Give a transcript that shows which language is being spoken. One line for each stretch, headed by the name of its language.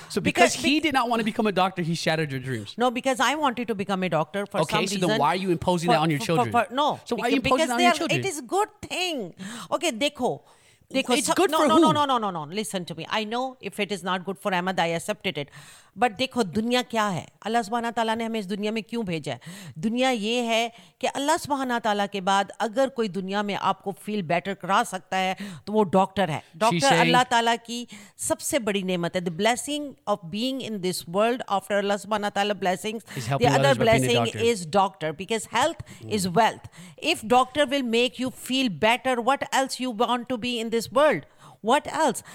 English: So because he did not want to become a doctor, he shattered your dreams. No, because I wanted to become a doctor for okay, some so reason. Okay, so then why are you imposing that on your children? No. So why are you imposing that on your children? It is a good thing. Okay, dekho. Listen to me. I know if it is not good for Ahmed, I accepted it.
Hindi: But देखो दुनिया क्या है? Allah Subhanahu Taala ने हमें इस दुनिया में क्यों भेजा है? दुनिया ये है कि Allah Subhanahu Taala के बाद अगर कोई दुनिया में आपको
English: feel better
Hindi: करा सकता है, तो वो doctor है. Doctor Allah Taala की सबसे बड़ी नेमत है.
English: The blessing of being in this world after Allah Subhanahu Taala blessings, the other blessing is doctor because health is wealth. If doctor will make you feel better, what else you want to be in this world? What else?